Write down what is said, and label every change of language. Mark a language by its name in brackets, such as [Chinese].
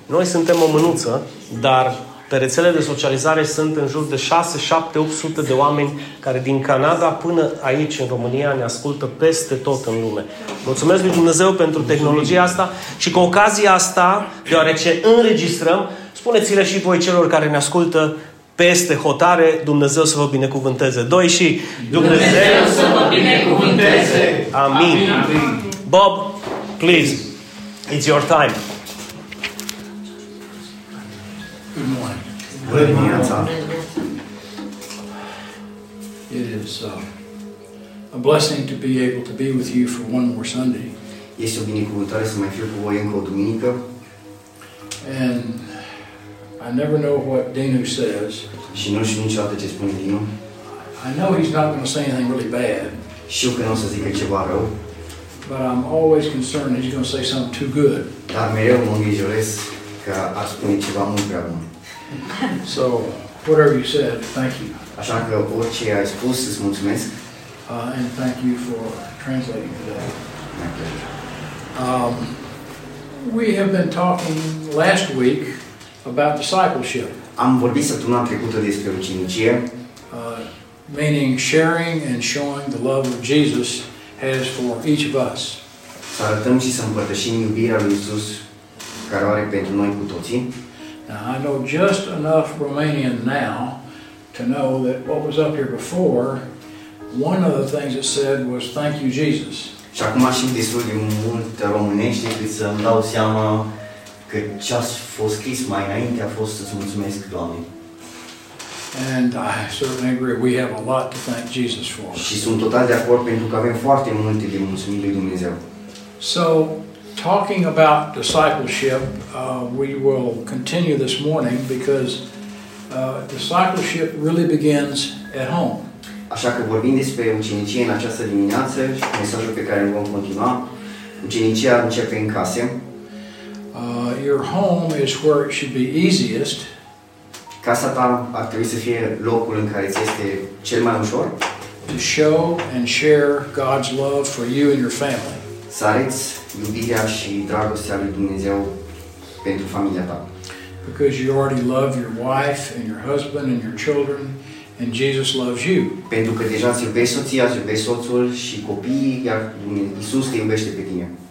[Romanian] Noi suntem o mânuță, dar pe rețele de socializare sunt în jur de 6, 7, 800 de oameni care din Canada până aici în România ne ascultă peste tot în lume. Mulțumesc lui Dumnezeu pentru tehnologia asta și cu ocazia asta, deoarece înregistrăm, spuneți-le și voi celor care ne ascultă peste hotare, Dumnezeu să vă binecuvânteze. Doi și... Dumnezeu să vă binecuvânteze! Amin. Amin. [English] Bob, please, it's your time. Good morning. Good morning. It is a blessing to be able to be with you for one more Sunday. [Romanian] Este o binecuvântare să mai fiu cu voi încă o duminică. [English] And I never know what Dinu says. [Romanian] Și nu știu niciodată ce spune Dinu. [English] I know he's not going to say anything really bad. [Romanian] Știu că nu o să zică ceva rău. [English] But I'm always concerned he's going to say something too good. [Romanian] Dar mereu mă îngrijoresc că ar spune ceva mult prea bun. [English] So, whatever you said, thank you. [Romanian] Așa că orice ai spus, îți mulțumesc. [English] And thank you for translating today. We have been talking last week about discipleship. [Romanian] Am vorbit săptămâna trecută despre ucenicie. [English] Meaning sharing and showing the love of Jesus has for each of us. [Romanian] Să arătăm și să împărtășim iubirea lui Isus care are pentru noi cu toții. [English] Now, I know just enough Romanian now to know that what was up here before, one of the things it said was thank you Jesus. [Romanian] Și acum știu destul de mult românește cât să-mi dau seama că ce a fost scris mai înainte a fost să-ți mulțumesc, Doamne. [English] And I certainly agree we have a lot to thank Jesus for. [Romanian] Și sunt total de acord pentru că avem foarte multe de mulțumit lui Dumnezeu. [English] So, talking about discipleship, we will continue this morning because discipleship really begins at home. [Romanian] Așa că vorbim despre ucenicie în această dimineață și mesajul pe care îl vom continua. Ucenicia începe în casă. [English] Your home is where it should be easiest. [Romanian] Casa ta ar trebui să fie locul în care ți este cel mai ușor. [English] To show and share God's love for you and your family. [Romanian] Să arăți iubirea și dragostea lui Dumnezeu pentru familia ta. [English] Because you already love your wife and your husband and your children, and Jesus loves you. [Romanian] Pentru că deja îți iubești soția, îți iubești soțul și copiii, iar Iisus te iubește pe tine.